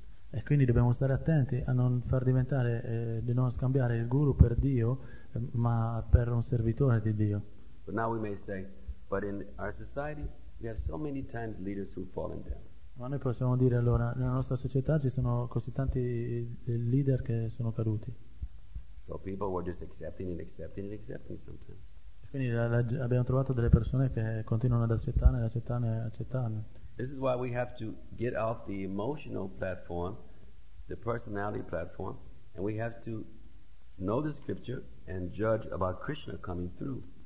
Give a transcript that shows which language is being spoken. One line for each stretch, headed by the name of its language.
Italian: E quindi dobbiamo stare attenti a non far diventare di non scambiare il guru per Dio, ma per un servitore di Dio.
English: But now we may say, but in our society we have so many times leaders who've fallen down.
Italian: Ma noi possiamo dire, allora, nella nostra società ci sono così tanti leader che sono caduti.
English: So people were just accepting and accepting and accepting sometimes.
Italian: Quindi abbiamo trovato delle persone che continuano ad accettarne, accettarne, accettarne.
English: This is why we have to get off the emotional platform, the personality platform, and we have to know the scripture and judge about Krishna coming through.